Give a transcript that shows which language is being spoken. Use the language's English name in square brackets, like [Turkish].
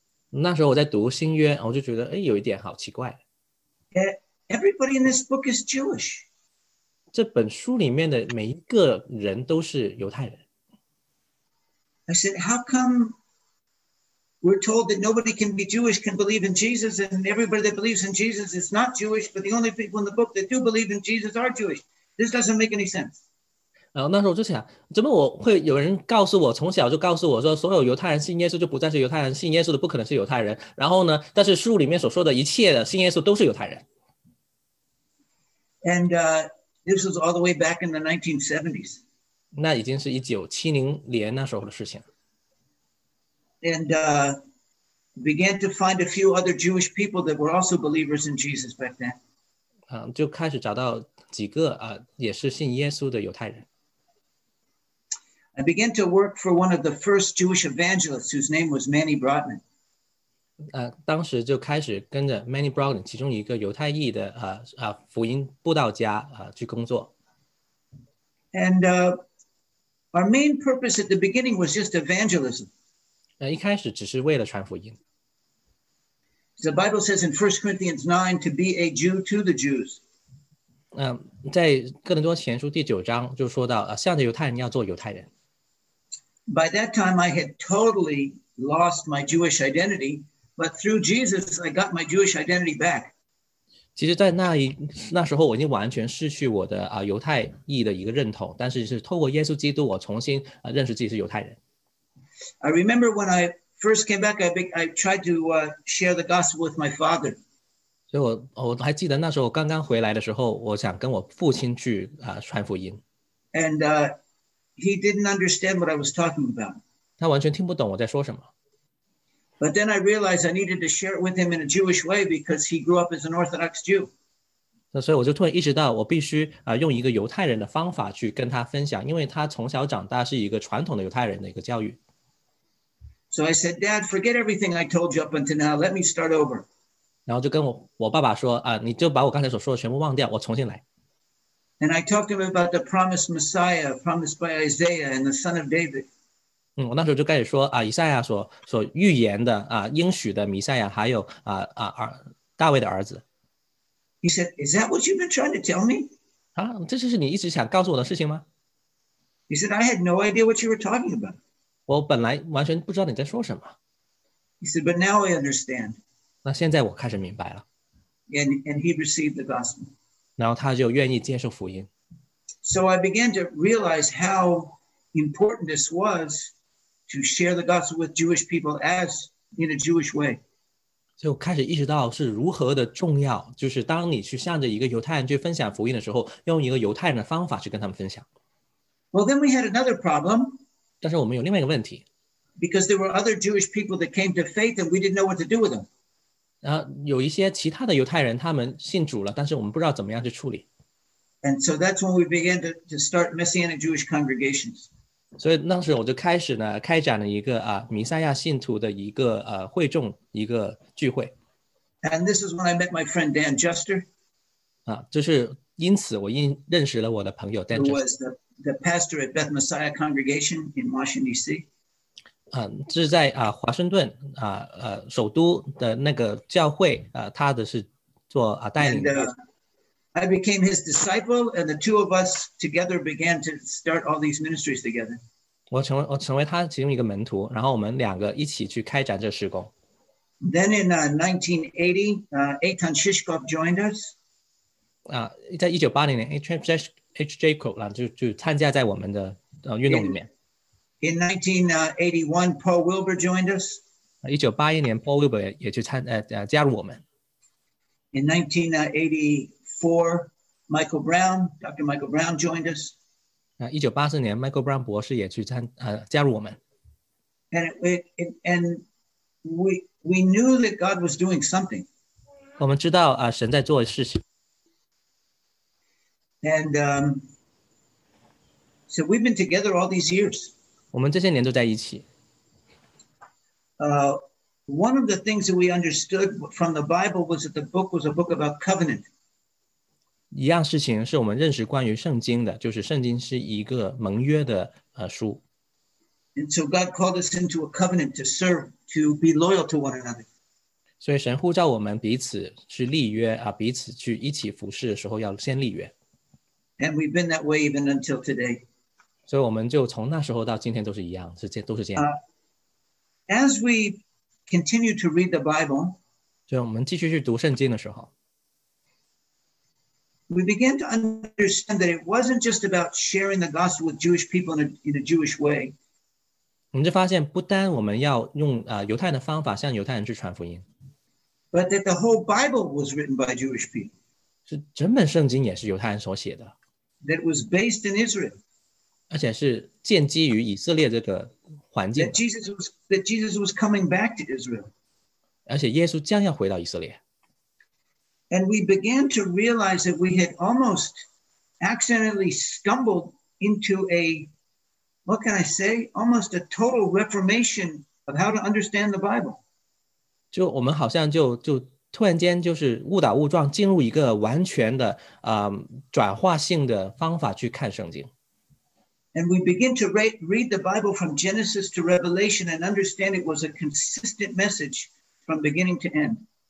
[Chinese] 那时候我在读新约，我就觉得哎，有一点好奇怪。 [English] Everybody in this book is Jewish. [Chinese] 这本书里面的每一个人都是犹太人。 [English] I said, "How come we're told that nobody can be Jewish can believe in Jesus, and everybody that believes in Jesus is not Jewish, but the only people in the book that do believe in Jesus are Jewish? This doesn't make any sense." [Chinese] 那时候我就想，怎么我会有人告诉我，从小就告诉我说，所有犹太人信耶稣就不再是犹太人，信耶稣的不可能是犹太人。然后呢，但是书里面所说的一切的信耶稣都是犹太人。 [English] And this was all the way back in the 1970s. [Chinese] 那已经是1970年那时候的事情。 [English] And began to find a few other Jewish people that were also believers in Jesus back then. [Chinese] 就开始找到几个也是信耶稣的犹太人。 [English] I began to work for one of the first Jewish evangelists whose name was Manny Brotman. [Chinese] 当时就开始跟着 Manny Brotman, 其中一个犹太裔的福音布道家去工作。 [English] And our main purpose at the beginning was just evangelism. [Chinese] 一开始只是为了传福音。 [English] The Bible says in 1 Corinthians 9 to be a Jew to the Jews. [Chinese] 在哥林多前书第九章就说到向着犹太人要做犹太人。 [English] By that time, I had totally lost my Jewish identity, but through Jesus, I got my Jewish identity back. [Chinese] 其实，在那时候，我已经完全失去我的犹太裔的一个认同，但是是透过耶稣基督，我重新认识自己是犹太人。 [English] I remember when I first came back, I tried to share the gospel with my father. [Chinese] 所以我还记得那时候刚刚回来的时候，我想跟我父亲去传福音。 [English] And He didn't understand what I was talking about. [Chinese] 他完全听不懂我在说什么。 [English] But then I realized I needed to share it with him in a Jewish way because he grew up as an Orthodox Jew. [Chinese] 那所以我就突然意识到我必须、用一个犹太人的方法去跟他分享，因为他从小长大是一个传统的犹太人的一个教育。 [English] So I said, Dad, forget everything I told you up until now. Let me start over. [Chinese] 然后就跟 我爸爸说、你就把我刚才所说的全部忘掉，我重新来。 [English] And I talked to him about the promised Messiah, promised by Isaiah and the son of David. [Chinese] 我那时候就开始说、以赛亚 所预言的、应许的弥赛亚，还有、大卫的儿子。 [English] He said, is that what you've been trying to tell me? [Chinese] 啊，这就是你一直想告诉我的事情吗？ [English] He said, I had no idea what you were talking about. [Chinese] 我本来完全不知道你在说什么。 [English] He said, but now I understand. [Chinese] 那现在我开始明白了。 [English] And he received the gospel. [Chinese] 然后他就愿意接受福音。 [English] So I began to realize how important this was to share the gospel with Jewish people as in a Jewish way. [Chinese] 就开始意识到是如何的重要，就是当你去向着一个犹太人去分享福音的时候，用一个犹太人的方法去跟他们分享。 [English] Well, then we had another problem. [Chinese] 但是我们有另外一个问题。 [English] Because there were other Jewish people that came to faith and we didn't know what to do with them. [Chinese] 然后有一些其他的犹太人他们信主了，但是我们不知道怎么样去处理。 [English] And so that's when we began to start Messianic Jewish congregations. [Chinese] 所以那时候我就开始呢，开展了一个、弥赛亚信徒的一个、会众，一个聚会。 [English] And this is when I met my friend Dan Juster. [Chinese] 就是因此我认识了我的朋友 Dan Juster. [English] The pastor at Beth Messiah Congregation in Washington, D.C. [Chinese] 这是在、华盛顿、首都的那个教会、他的是做、带领的。 [English] And, I became his disciple, and the two of us together began to start all these ministries together. [Chinese] 我成为他其中一个门徒，然后我们两个一起去开展这事工。 [English] Then in 1980, Eitan Shishkov joined us. [Chinese] 在1980年 H. Jacob 就参加在我们的、运动里面。 [English] In 1981, Paul Wilbur joined us. [Chinese] 1981年 Paul Wilbur 也去参、加入我们。 [English] In 1984, Dr. Michael Brown joined us. [Chinese] 1984年 Michael Brown 博士也去参、加入我们。 [English] And we knew that God was doing something. [Chinese] 我们知道、神在做的事情。 [English] And so we've been together all these years. [Chinese] 我们这些年都在一起。 [English] One of the things that we understood from the Bible was that the book was a book about covenant. [Chinese] 一样事情是我们认识关于圣经的，就是圣经是一个盟约的、书。 [English] And so God called us into a covenant to serve, to be loyal to one another. [Chinese] 所以神呼召我们彼此去立约、彼此去一起服事的时候要先立约。 [English] And we've been that way even until today. [Chinese] 所以我们就从那时候到今天都是一样，都是这样。 [English] As we continue to read the Bible, [Chinese] 就我们继续去读圣经的时候， [English] we began to understand that it wasn't just about sharing the gospel with Jewish people in a Jewish way. [Chinese] 我们就发现不单我们要用、犹太人的方法向犹太人去传福音， [English] but that the whole Bible was written by Jewish people. [Chinese] 是整本圣经也是犹太人所写的。 [English] That was based in Israel. [Chinese] 而且是建基于以色列这个环境。 [English] That Jesus was coming back to Israel. [Chinese] 而且耶稣将要回到以色列。 [English] And we began to realize that we had almost accidentally stumbled into a, what can I say, almost a total reformation of how to understand the Bible. [Chinese] 就我们好像就突然间就是误打误撞进入一个完全的、转化性的方法去看圣经。 [English] And we begin to read the Bible from Genesis to Revelation and understand it was a consistent message from beginning to end.